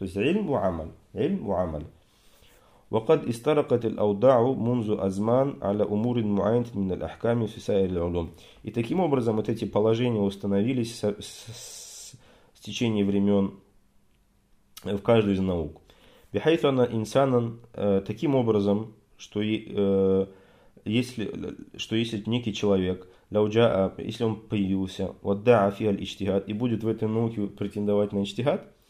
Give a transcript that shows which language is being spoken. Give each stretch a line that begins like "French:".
Russian: То есть ильм ва амаль, ильм ва амаль.
Arabic: وقد استرقت الأوضاع منذ أزمان على أمور معينة من الأحكام في سائر العلوم.
Russian: И таким образом вот эти положения установились с течением времен в каждой из наук.
Arabic: بحيث أن إنسانا
Russian: таким образом, что если некий человек, если он появился,
Arabic: وادعى فيها الاجتهاد,
Russian: и будет в этой науке претендовать на اجتهاد,